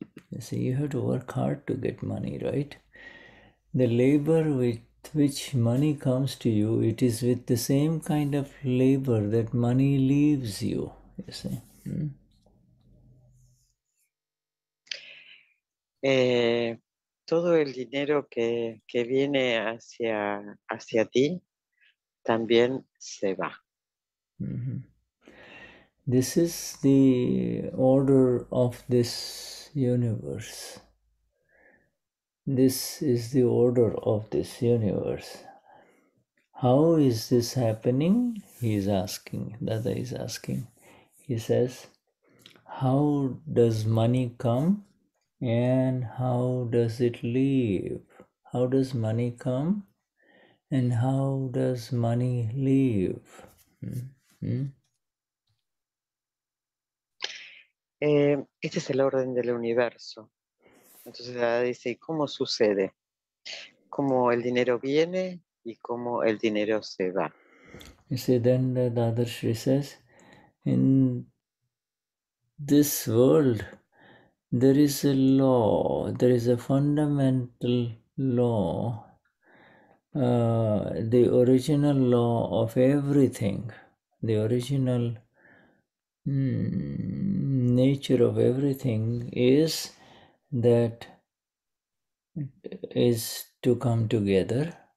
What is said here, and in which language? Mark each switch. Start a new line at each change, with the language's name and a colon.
English: You see, you have to work hard to get money, right? The labor with which money comes to you, it is with the same kind of labor that money leaves you, you see.
Spanish: Todo el dinero que viene hacia ti también se va.
English: Mm-hmm. This is the order of this universe. This is the order of this universe. How is this happening? He is asking. Dada is asking. He says, how does money come and how does it leave? How does money come and how does money leave?
Spanish: Este es el orden del universo. Entonces Dada dice, ¿y cómo sucede? ¿Cómo el dinero viene y cómo el dinero se va?
English: You see, then the Dadashri says, in this world, there is a law, there is a fundamental law, the original law of everything, the original nature of everything is that is to come together.